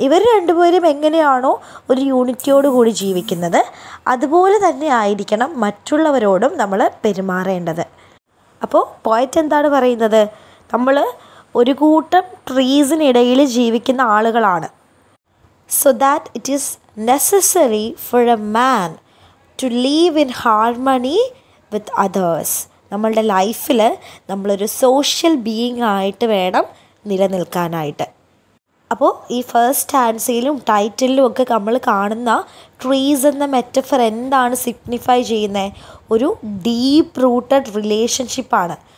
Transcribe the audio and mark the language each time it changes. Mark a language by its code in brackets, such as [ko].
[ml] ഇവർ രണ്ടുപേരും എങ്ങനെയാണോ ഒരു യൂണിറ്റിയോട് കൂടി ജീവിക്കുന്നത്, അതുപോലെ തന്നെ ആയിരിക്കണം മറ്റുള്ളവരോടും നമ്മൾ പെരുമാറേണ്ടത്. അപ്പോൾ പോയറ്റ് എന്താണ് പറയുന്നത്, നമ്മൾ ഒരു കൂട്ടം ട്രീസിനിടയിൽ ജീവിക്കുന്ന ആളുകളാണ്. [en] So that it is necessary for a man to live in harmony with others. [ml] നമ്മളുടെ ലൈഫിൽ നമ്മളൊരു സോഷ്യൽ ബീയിങ് ആയിട്ട് വേണം നിലനിൽക്കാനായിട്ട്. അപ്പോൾ ഈ ഫസ്റ്റ് ആൻസിലും ടൈറ്റിലും ഒക്കെ നമ്മൾ കാണുന്ന ട്രീസ് എന്ന മെറ്റഫർ എന്താണ് സിഗ്നിഫൈ ചെയ്യുന്നത്, ഒരു ഡീപ്പ് റൂട്ടഡ് റിലേഷൻഷിപ്പാണ്.